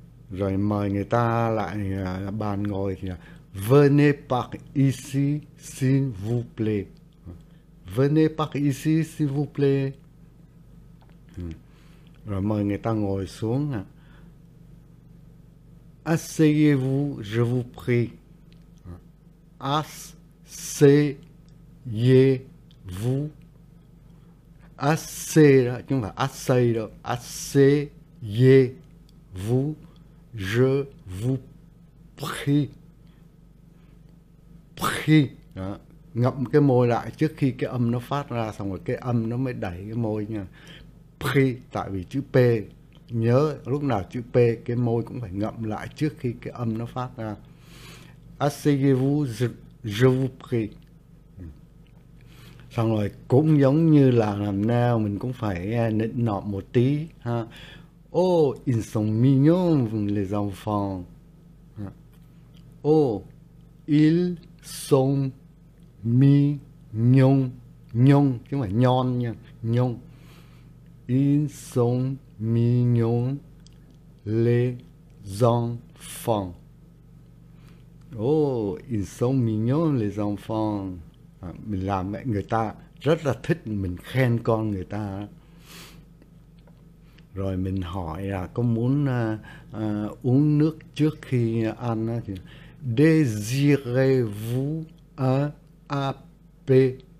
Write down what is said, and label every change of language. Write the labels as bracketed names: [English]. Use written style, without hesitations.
[Vietnamese] Rồi mời người ta lại bàn ngồi thì là [French] venez par ici s'il vous plaît, venez par ici s'il vous plaît. [Vietnamese] Rồi mời người ta ngồi xuống à. [French] Asseyez-vous, je vous prie. Asseyez-vous. Assez đó, [Vietnamese] chúng ta [French] assez đó, assez yé vous, je vous prie, prie đó. [Vietnamese] Ngậm cái môi lại trước khi cái âm nó phát ra, xong rồi cái âm nó mới đẩy cái môi nha. Prie, tại vì chữ P, nhớ lúc nào chữ P cái môi cũng phải ngậm lại trước khi cái âm nó phát ra. [French] Asseyez-vous, je vous prie. [Vietnamese] Xong rồi cũng giống như là làm nào mình cũng phải nịnh nọt một tí ha. [French] Oh, ils sont mignons les enfants. Oh, ils sont mignons. [Vietnamese] Nhông, nhông chứ mà nhon nha, nhông. [French] Ils sont mignons les enfants. Oh, ils sont mignons les enfants. [Vietnamese] Mình làm mẹ người ta rất là thích, mình khen con người ta. Rồi mình hỏi là có muốn uống nước trước khi ăn thì [French] désirez-vous un apéritif?